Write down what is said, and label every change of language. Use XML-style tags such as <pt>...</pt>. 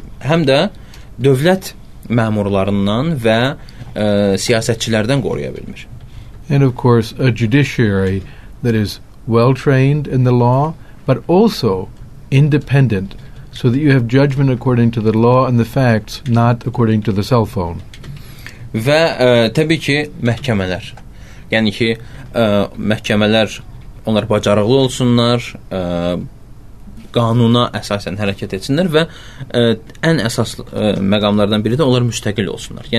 <az>Həm də dövlət məmurlarından və siyasətçilərdən qoruya bilmir.</az> <en>And of course, a judiciary that is well-trained in the law, but also independent, so that you have judgment according to the law and the facts, not according to the cell phone.</en> <az>Və təbii ki, məhkəmələr. Yəni ki, məhkəmələr, onlar bacarıqlı olsunlar, qanuna əsasən hərəkət etsinlər və ən əsas məqamlardan biri də onlar müstəqil olsunlar.</az>